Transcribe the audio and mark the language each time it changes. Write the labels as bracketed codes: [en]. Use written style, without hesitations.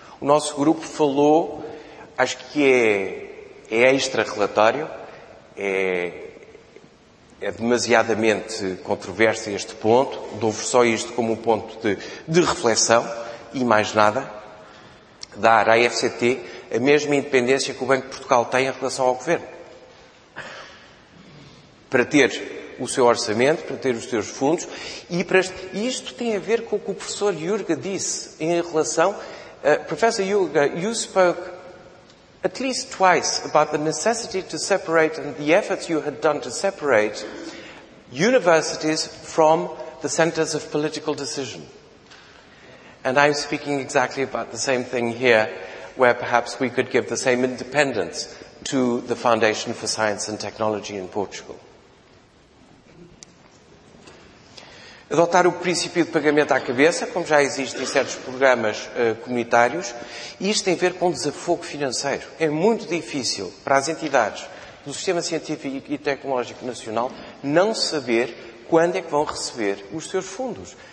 [pt] O nosso grupo falou, acho que é extra-relatório, é demasiadamente controverso este ponto, dou-vos só isto como um ponto de reflexão e mais nada, dar à FCT a mesma independência que o Banco de Portugal tem em relação ao Governo. Para ter o seu orçamento, para ter os seus fundos, e para isto tem a ver com o que o professor Yurga disse em relação... [en] Professor Yurga, you spoke at least twice about the necessity to separate and the efforts you had done to separate universities from the centres of political decision. And I'm speaking exactly about the same thing here, where perhaps we could give the same independence to the Foundation for Science and Technology in Portugal. [pt] Adotar o princípio de pagamento à cabeça, como já existe em certos programas comunitários, e isto tem a ver com o desafogo financeiro. É muito difícil para as entidades do Sistema Científico e Tecnológico Nacional não saber quando é que vão receber os seus fundos.